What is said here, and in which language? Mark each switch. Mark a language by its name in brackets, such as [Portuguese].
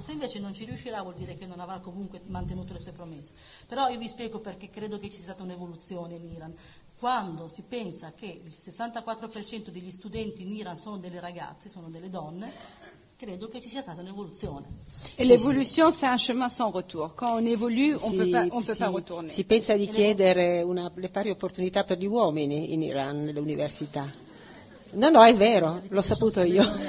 [Italian] Se invece non ci riuscirà, vuol dire che non avrà comunque mantenuto le sue promesse. Però io vi spiego perché credo che ci sia stata un'evoluzione in Iran. Quando si pensa che il 64% degli studenti in Iran sono delle ragazze, sono delle donne, credo che ci sia stata un'evoluzione. E l'evoluzione c'è [French] un chemin sans retour. [Italian] Quando [French] on évolue, on peut pas retourner. [Italian] Si pensa di chiedere le pari opportunità per gli uomini in Iran, nelle università. No, no, è vero, l'ho saputo io.